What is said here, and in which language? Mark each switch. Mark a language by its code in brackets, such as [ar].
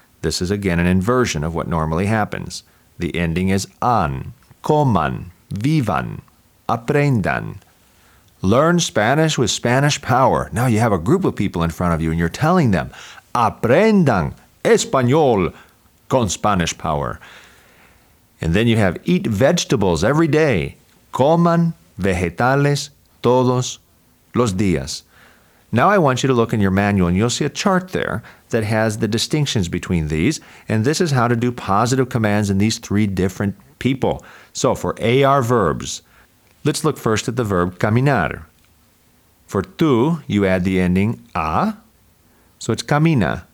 [en] This is again an inversion of what normally happens. The ending is an, [es] coman, vivan, aprendan. [en] Learn Spanish with Spanish Power. Now you have a group of people in front of you and you're telling them, [es] aprendan español con Spanish Power. [en] And then you have eat vegetables every day. [es] Coman vegetales todos los días. [en] Now I want you to look in your manual and you'll see a chart there that has the distinctions between these. And this is how to do positive commands in these three different people. So for AR verbs, let's look first at the verb caminar. For tú, you add the ending a, so it's camina.